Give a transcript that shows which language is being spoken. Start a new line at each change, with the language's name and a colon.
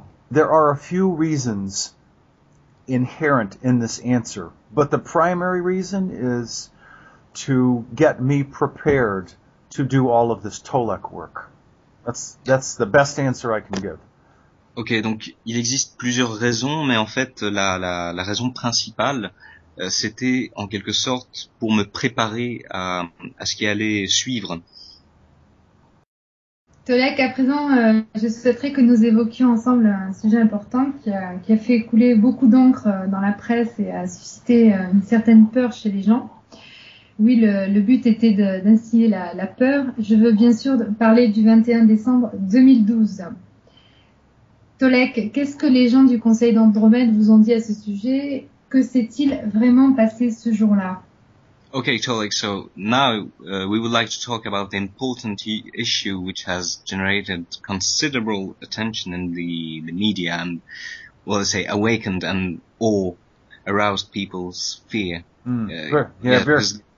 English: There are a few reasons inherent in this answer, but the primary reason is to get me prepared to do all of this Tolek work. That's the best answer I can give.
French: Ok, donc il existe plusieurs raisons, mais en fait la raison principale, c'était en quelque sorte pour me préparer à ce qui allait suivre. Tolek, à présent, je souhaiterais que nous évoquions ensemble un sujet important qui a fait couler beaucoup d'encre dans la presse et a suscité une certaine peur chez les gens. Oui, le but était d'instiller la peur. Je veux bien sûr parler du 21 décembre 2012. Tolek, qu'est-ce que les gens du Conseil d'Andromède vous ont dit à ce sujet? Que s'est-il vraiment passé ce jour-là?
English: Okay, Tolek, so now we would like to talk about the important issue which has generated considerable attention in the media and, well, let's say, awakened and awe, aroused people's fear. Very true.